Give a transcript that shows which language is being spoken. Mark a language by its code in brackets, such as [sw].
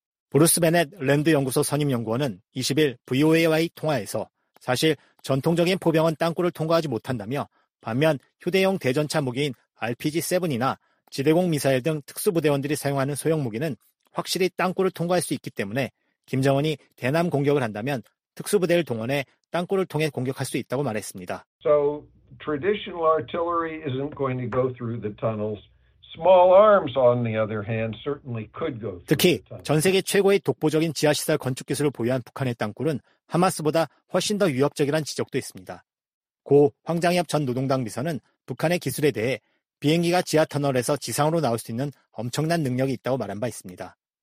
[ko] 브루스 베넷 랜드 연구소 선임 연구원은 20일 VOA와의 통화에서 사실 전통적인 포병은 땅굴을 통과하지 못한다며 반면 휴대용 대전차 무기인 RPG-7이나 지대공 미사일 등 특수부대원들이 사용하는 소형 무기는 확실히 땅굴을 통과할 수 있기 때문에 김정은이 대남 공격을 한다면 특수부대를 동원해 땅굴을 통해 공격할 수 있다고 말했습니다. [en] So traditional artillery isn't going to go through the tunnels. Small arms on the other hand certainly could go. [ko] 특히 전 세계 최고의 독보적인 지하 시설 건축 기술을 보유한 북한의 땅굴은 하마스보다 훨씬 더 위협적이란 지적도 있습니다. 고 황장엽 전 노동당 비서는 북한의 기술에 대해 비행기가 지하 터널에서 지상으로 나올 수 있는 엄청난 능력이 있다고 말한 바 있습니다.